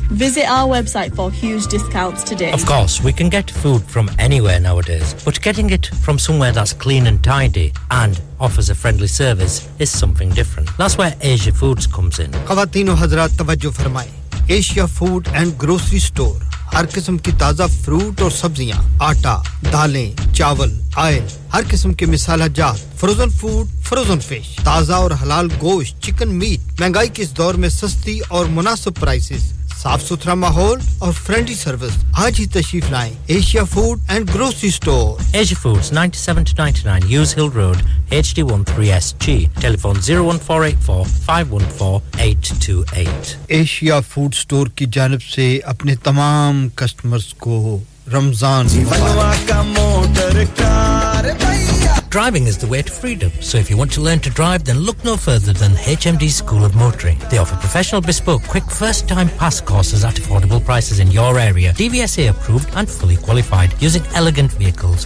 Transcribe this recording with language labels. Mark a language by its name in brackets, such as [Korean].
[English] Visit our website for huge discounts today. Of course, we can get food from anywhere nowadays, but getting it from somewhere that's clean and tidy and offers a friendly service is something different. That's where Asia Foods comes in. [Urdu] Khawateeno Hazrat, tawajjo farmaye. Asia Food and Grocery Store. ہر قسم کی تازہ fruit اور سبزیاں آٹا دالیں چاول oil ہر قسم کے مصالحہ جات فروزن فوڈ فروزن فش تازہ اور حلال گوشت چکن میٹ مہنگائی کے اس دور میں سستی اور مناسب پرائسز صاف ستھرا ماحول اور فرینڈلی سروس آج ہی تشریف لائیں Asia food and grocery store Asia foods 97-99 use ہل روڈ HD13SG ٹیلی فون 01484-514-828 ایشیا فوڈ سٹور کی جانب سے اپنے تمام کسٹمرز کو Ramzan [English] Driving is the way to freedom, so if you want to learn to drive, then look no further than HMD School of Motoring. They offer professional bespoke quick first-time pass courses at affordable prices in your area. DVSA approved and fully qualified, using elegant vehicles.